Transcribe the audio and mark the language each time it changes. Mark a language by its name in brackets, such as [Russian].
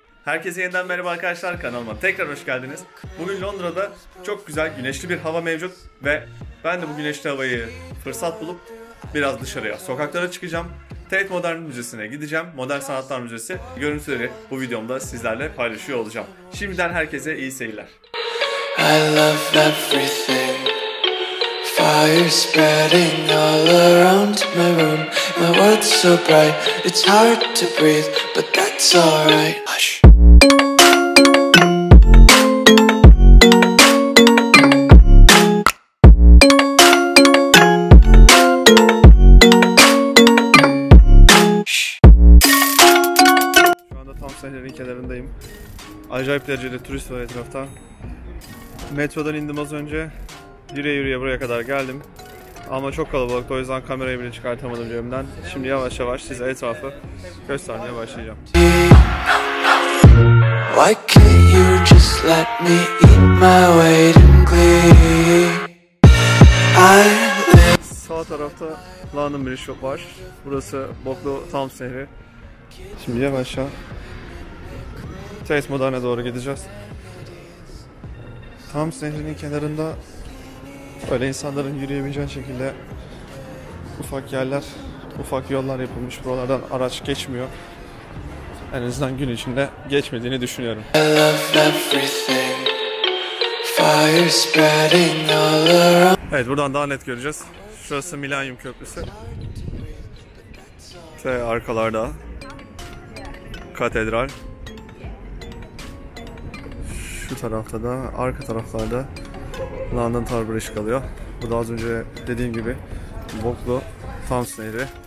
[Turkish] Herkese yeniden merhaba arkadaşlar, kanalıma tekrar hoş geldiniz. Bugün Londra'da çok güzel güneşli bir hava mevcut ve ben de bu güneşli havayı fırsat bulup biraz dışarıya, sokaklara çıkacağım. Tate Modern Müzesi'ne gideceğim. Modern Sanatlar Müzesi görüntüleri bu videomda sizlerle paylaşıyor olacağım. Şimdiden herkese iyi seyirler. [English] I love everything. Fire spreading all around my room. My world's so bright. It's hard to breathe, but that's alright. Hush. [Turkish] Şu anda tam sahilin kenarındayım. Acayip derecede turist var etrafta. Metrodan indim az önce. Yürüye yürüye buraya kadar geldim. Ama çok kalabalıktı, o yüzden kamerayı bile çıkartamadım cebimden. Şimdi yavaş yavaş size etrafı göstermeye başlayacağım. [English] Why can't you just let me eat my weight in glee? [Turkish] Sağ tarafta London Bridge var. Burası Boklu Thames Nehri. Şimdi yavaş ya. Tate Modern'e doğru gideceğiz. Thames Nehri'nin kenarında böyle insanların yürüyebileceği şekilde ufak yerler, ufak yollar yapılmış. Buralardan araç geçmiyor. En azından gün içinde geçmediğini düşünüyorum. [English] I love everything. Fire spreading all around. [Turkish] Evet, buradan daha net göreceğiz. Şurası Millennium Köprüsü. Ve arkalarda katedral. Şu tarafta da, arka taraflarda London Tower Bridge kalıyor. Bu da az önce dediğim gibi Boklu Thames Nehri.